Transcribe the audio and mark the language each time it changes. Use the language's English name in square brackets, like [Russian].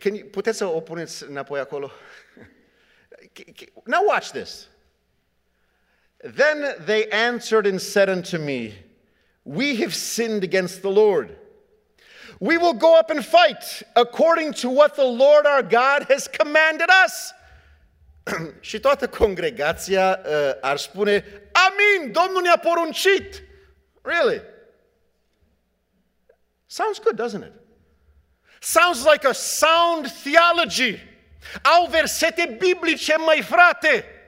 [Romanian] Puteți să o puneți înapoi acolo? [English] Now watch this. Then they answered and said unto me, we have sinned against the Lord. We will go up and fight according to what the Lord our God has commanded us. [Romanian] Și toată congregația ar spune, amin, Domnul ne-a poruncit. [English] Really? Sounds good, doesn't it? Sounds like a sound theology. [Romanian] Au versete biblice, măi frate.